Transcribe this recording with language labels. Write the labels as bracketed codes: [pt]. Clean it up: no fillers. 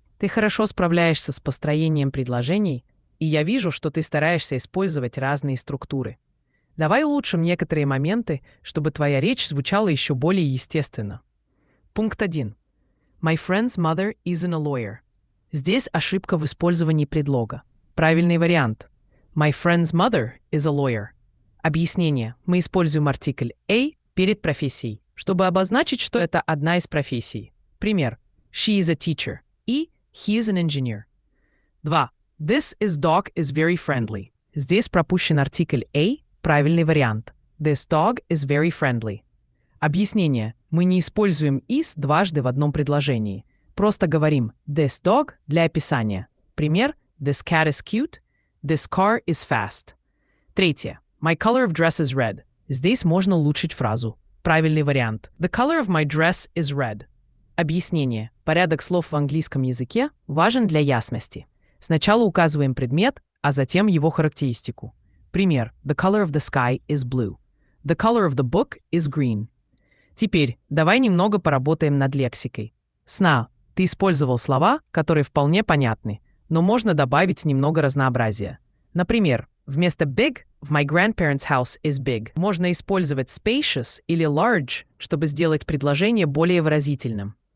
[ru] Ты хорошо справляешься с построением предложений, и я вижу, что ты стараешься использовать разные структуры. Давай улучшим некоторые моменты, чтобы твоя речь звучала еще более естественно. Пункт 1. [en] My friend's mother isn't a lawyer. [ru] Здесь ошибка в использовании предлога. Правильный вариант. [en] My friend's mother is a lawyer. [ru] Объяснение. Мы используем артикль «a» перед профессией, чтобы обозначить, что это одна из профессий. Пример. [en] She is a teacher. И he is an engineer. 2. This is dog is very friendly. [ru] Здесь пропущен артикль «a». Правильный вариант. [en] This dog is very friendly. [ru] Объяснение. Мы не используем «is» дважды в одном предложении. Просто говорим [en] «this dog» [ru] для описания. Пример. [en] This cat is cute. This car is fast. 3. My color of dress is red. [ru] Здесь можно улучшить фразу. Правильный вариант. [en] The color of my dress is red. [ru] Объяснение. Порядок слов в английском языке важен для ясности. Сначала указываем предмет, а затем его характеристику. Пример. [en] The color of the sky is blue. The color of the book is green. [ru] Теперь давай немного поработаем над лексикой. Сна. Ты использовал слова, которые вполне понятны, но можно добавить немного разнообразия. Например, вместо big в [en] my grandparents' house is big [ru] можно использовать spacious или large, чтобы сделать предложение более выразительным.